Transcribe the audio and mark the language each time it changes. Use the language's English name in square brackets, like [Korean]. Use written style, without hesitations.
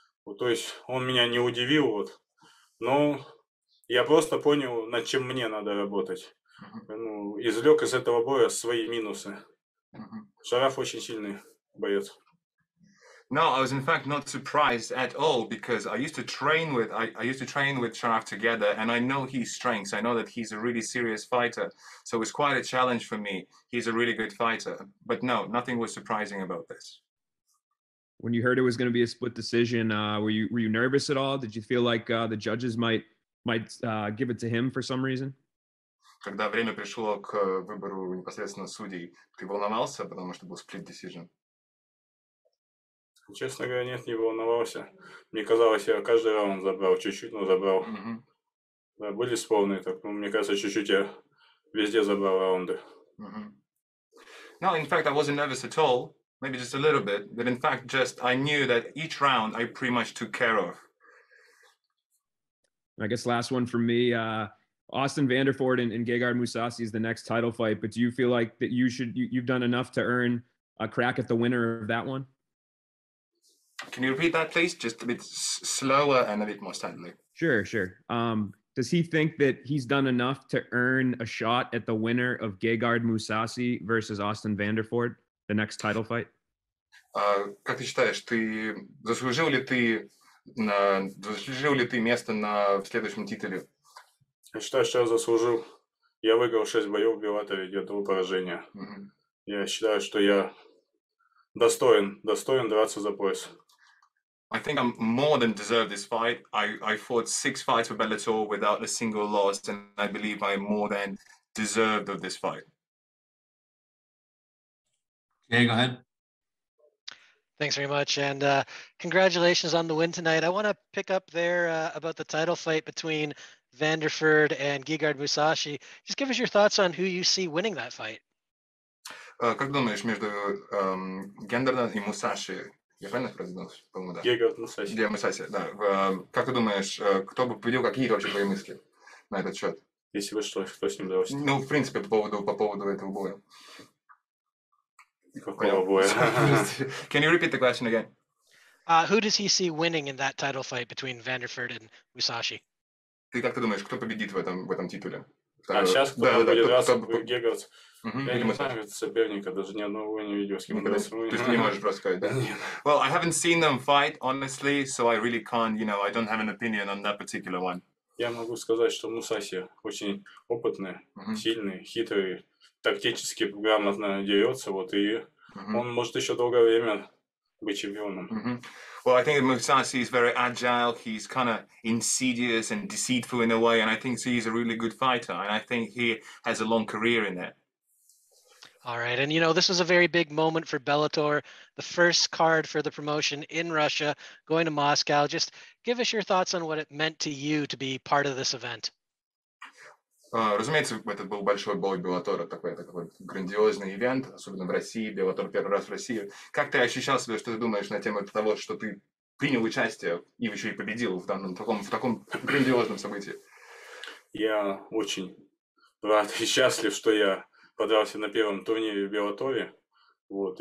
[Russian] Вот, то есть он меня не удивил, вот. Но я просто понял, над чем мне надо работать. Ну, извлек из этого боя свои минусы. Шараф очень сильный боец. [English] No, I was in fact not surprised at all because I used to train with Sharaf together, and I know his strengths. I know that he's a really serious fighter, so it was quite a challenge for me. He's a really good fighter, but no, nothing was surprising about this. When you heard it was going to be a split decision, were you nervous at all? Did you feel like the judges might give it to him for some reason? [Russian] Когда время пришло к выбору непосредственно судей, ты волновался, потому что был split decision? Честно говоря, нет, не волновался. Мне казалось, я каждый раунд забрал, чуть-чуть, но забрал. Mm-hmm. Да, были сполные, так, но мне кажется, чуть-чуть я везде забрал раунды. Mm-hmm. [English] No, in fact, I wasn't nervous at all, maybe just a little bit, but in fact, just I knew that each round I pretty much took care of. I guess last one for me, Austin Vanderford and Gegard Mousasi is the next title fight, but do you feel like that you've done enough to earn a crack at the winner of that one? Can you repeat that, please? Just a bit slower and a bit more steadily. Sure. Does he think that he's done enough to earn a shot at the winner of Gegard Mousasi versus Austin Vanderford, the next title fight? [Russian] Как ты считаешь, ты заслужил ли ты место на в следующем титуле? Я считаю, что я заслужил. Я выиграл 6 боев в Беллаторе, я дал поражение. Я считаю, что я достоин драться за пояс. [English] I think I'm more than deserve this fight. I fought 6 fights for Bellator without a single loss, and I believe I'm more than deserved of this fight. Okay, go ahead. Thanks very much, and congratulations on the win tonight. I want to pick up there about the title fight between Vanderford and Gegard Mousasi. Just give us your thoughts on who you see winning that fight. [Russian] Как думаешь, между Гендерном и Мусаси? Я правильно произнес? По-моему, да. Гегард Мусаси, да. Как ты думаешь, кто бы победил, какие вообще твои мысли на этот счет? Если бы что, кто с ним дрался? Ну, в принципе, по поводу этого боя. Какого боя? [English] Can you repeat the question again? Who does he see winning in that title fight between Vanderford and Mousasi? [Russian] Ты как ты думаешь, кто победит в этом титуле? А сейчас, когда да, были два гига, [English] Well, I haven't seen them fight, honestly, so I really can't, you know, I don't have an opinion on that particular one. [Russian] Я могу сказать, что Мусаси очень опытный, сильный, хитрый, тактически грамотно дерется, вот, и он может еще долгое время быть чемпионом. [English] Well, I think Mousasi is very agile. He's kind of insidious and deceitful in a way, and I think he's a really good fighter, and I think he has a long career in it. All right, and you know, this was a very big moment for Bellator, the first card for the promotion in Russia, going to Moscow. Just give us your thoughts on what it meant to you to be part of this event. [Russian] Разумеется, это был большой бой Bellator, такой грандиозный ивент, особенно в России, Bellator первый раз в России. Как ты ощущал себя, что ты думаешь на тему того, что ты принял участие и еще и победил в данном таком грандиозном событии? Я очень рад и счастлив, что я подрался на первом турнире в Bellator. Вот.